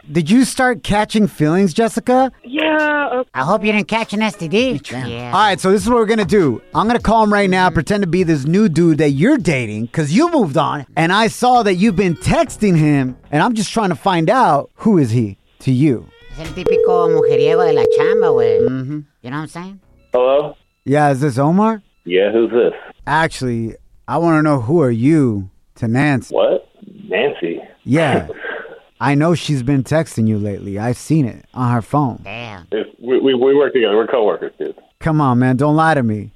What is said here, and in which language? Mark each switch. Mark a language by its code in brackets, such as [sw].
[en] Did you start catching feelings, Jessica? Yeah. Okay. I hope you didn't catch an STD. Yeah. All right, so this is what we're going to do. I'm going to call him right now, pretend to be this new dude that you're dating because you moved on and I saw that you've been texting him and I'm just trying to find out who is he to you. [es] Es el típico mujeriego de la chamba, güey. Mm-hmm. [en] You know what I'm saying? Hello? Yeah, is this Omar? Yeah, who's this? Actually, I want to know who are you to Nancy. What? Nancy? Yeah. I know she's been texting you lately. I've seen it on her phone. Damn. We work together. We're coworkers, dude. Come on, man. Don't lie to me.